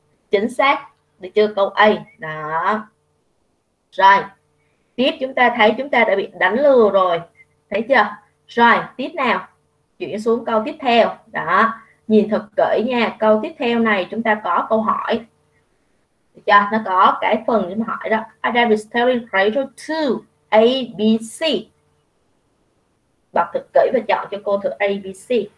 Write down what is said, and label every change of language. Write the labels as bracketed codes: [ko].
[vi] Chính xác. Được chưa? Câu A. Đó. Rồi. Tiếp chúng ta thấy chúng ta đã bị đánh lừa rồi. Thấy chưa? Rồi. Tiếp nào. Chuyển xuống câu tiếp theo. Đó. Nhìn thật kỹ nha, câu tiếp theo này chúng ta có câu hỏi. Được chưa? Nó có cái phần để mà hỏi đó. [en] Adam is telling Rachel to A, B, C. [vi] Đọc thật kỹ và chọn cho cô thử A, B, C.